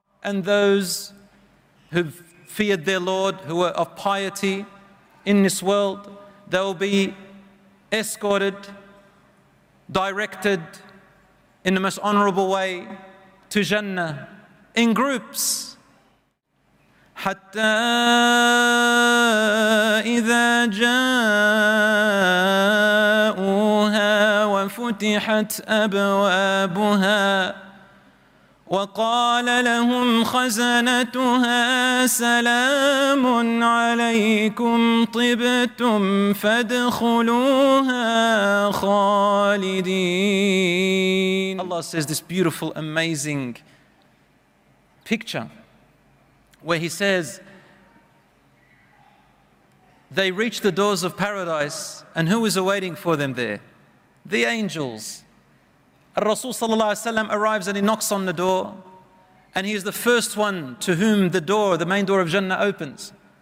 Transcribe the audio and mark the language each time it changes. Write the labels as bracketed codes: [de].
[en] And those who feared their Lord, who were of piety in this world, they will be escorted, directed in the most honorable way to Jannah in groups. [ar] حتى إذا جاءوها وفتحت أبوابها وقال لهم خزنتها سلام عليكم طبتم فادخلوها خالدين. [en] Allah says this beautiful, amazing picture where He says, they reached the doors of paradise, and who was awaiting for them there? The angels. Rasul sallallahu alayhi wa sallam arrives and he knocks on the door, and he is the first one to whom the door, the main door of Jannah, opens.